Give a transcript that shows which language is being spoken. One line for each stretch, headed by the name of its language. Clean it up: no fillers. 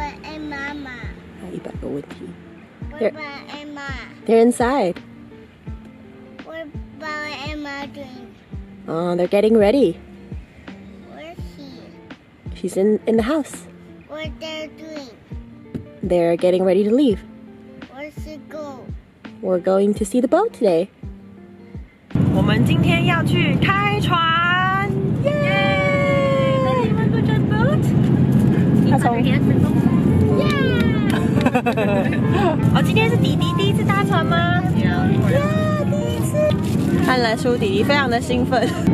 Chinese: 和妈妈，还有一百个问题。爸爸和妈妈
English: ，They're inside。
Chinese: 我爸爸和妈妈
English: drink。 Oh, they're getting ready. Where's she? She's in the house. What they're doing? They're getting ready to leave. Where's she go? We're going to see the boat today.
Chinese: 我们今天要去开船。 Yay!
English: Do you want to go to the boat? He's on the boat.
Chinese: 哦，今天是迪迪第一次搭船吗？对，第一次。看来舒迪迪非常的兴奋。